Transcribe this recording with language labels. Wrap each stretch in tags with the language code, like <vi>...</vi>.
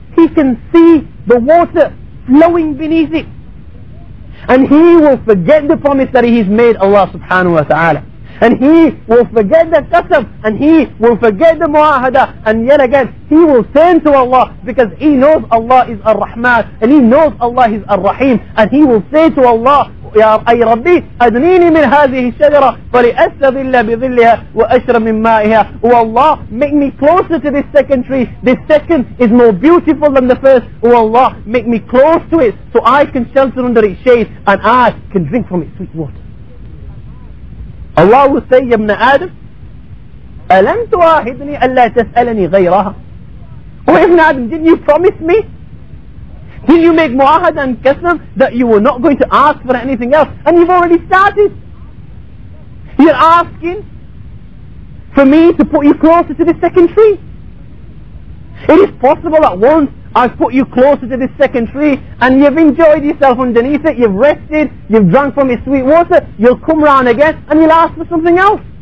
<en>He can see the water flowing beneath it. And he will forget the promise that he's made Allah subhanahu wa ta'ala. And he will forget the qasam. And he will forget the mu'ahada. And yet again, he will turn to Allah because he knows Allah is Ar-Rahman. And he knows Allah is Ar-Rahim. And he will say to Allah,</en> <ar>أي ربي أدنيني من هذه الشجرة فلأستظل بظلها وأشرب من مائها. والله,</ar> <en>make me closer to this second tree. This second is more beautiful than the first.</en> <ar>والله,</ar> <en>make me close to it so I can shelter under its shade and I can drink from its sweet water. Allah will say,</en> <ar>يا ابن آدم ألم تؤاهدني ألا تسألني غيرها.</ar> <en>Oh</en> <ar>ابن آدم,</ar> <en>didn't you promise me? Did you make mu'ahad and qasam that you were not going to ask for anything else? And you've already started. You're asking for me to put you closer to the second tree. It is possible that once I've put you closer to the second tree and you've enjoyed yourself underneath it, you've rested, you've drunk from its sweet water, you'll come round again and you'll ask for something else.</en>